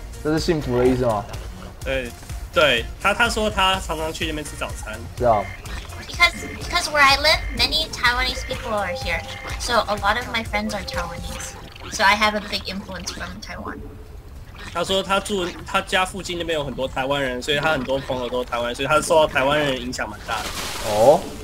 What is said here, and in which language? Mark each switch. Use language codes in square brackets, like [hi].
[zh] 这是幸福的意思吗？对，他说他常常去那边吃早餐。是啊。 [en] Because where I live, many Taiwanese people are here, so a lot of my friends are Taiwanese, so I have a big influence from Taiwan. [zh] 他说他住他家附近那边有很多台湾人，所以他很多朋友都是台湾人，所以他受到台湾人影响蛮大的。哦。